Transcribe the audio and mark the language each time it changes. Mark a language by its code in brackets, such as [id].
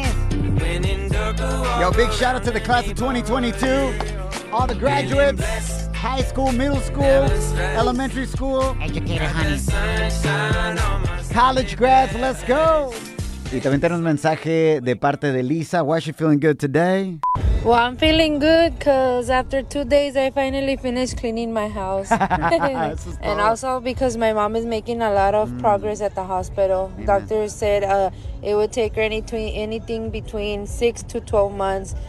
[en] Yo, big shout out to the class of 2022, all the graduates, high school, middle school, elementary school, educator, honey, college grads, let's go. [es] Y también tenemos mensaje de parte de Lisa. [en] Why is she feeling good today? Well, I'm feeling good because after 2 days, I finally finished cleaning my house. And also because my mom is making a lot of progress at the hospital. Amen. Doctors said it would take her anything between 6 to 12 months.